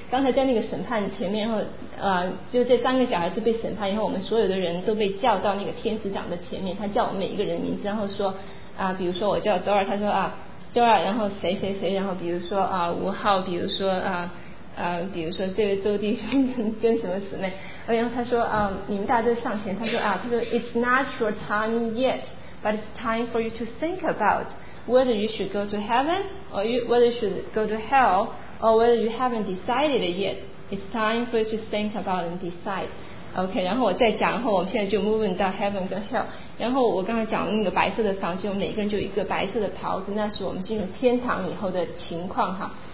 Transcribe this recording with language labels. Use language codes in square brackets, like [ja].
[zh] 刚才在那个审判前面，然后就这三个小孩子被审判以后，我们所有的人都被叫到那个天使长的前面，他叫我们每一个人的名字，然后说比如说我叫 Dora, 他说Dora, 然后谁谁谁，然后比如说吴浩，比如说比如说这位周弟兄跟什么姊妹。然后他说你们大家都上前，他说 [en] It's not your time yet, but it's time for you to think about whether you should go to heaven or whether you should go to hell or whether you haven't decided yet. It's time for you to think about and decide. [zh] OK, 然后我再讲，然后我们现在就 moving 到 heaven 跟 hell. 然后我刚才讲那个白色的房间，我们每个人就有一个白色的袍子，那是我们进入天堂以后的情况哈。